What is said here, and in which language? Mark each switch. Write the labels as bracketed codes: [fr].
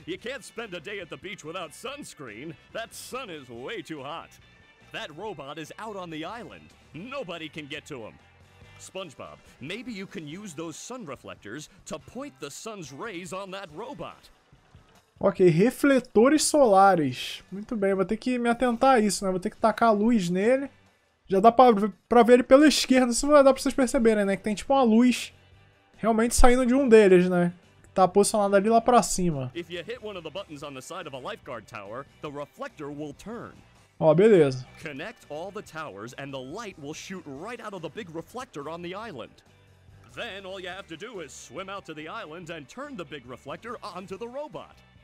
[en] You can't spend a day at the beach without sunscreen. That sun is way too hot. That robot is out on the island. Nobody can get to him. SpongeBob, maybe you can use those sun reflectors to point the sun's rays on that robot. [pt] Ok, refletores solares. Muito bem, vou ter que me atentar a isso, né? Vou ter que tacar a luz nele. Já dá pra ver ele pela esquerda, se não vai dar pra vocês perceberem, né? Que tem tipo uma luz realmente saindo de um deles, né? Que tá posicionado ali lá pra cima. [en] If you hit one of the buttons on the side of a lifeguard tower, the reflector will turn. [pt] Ó, beleza. [en] Connect all the towers and the light will shoot right out of the big reflector on the island. Then all you have to do is swim out to the island and turn the big reflector onto the robot.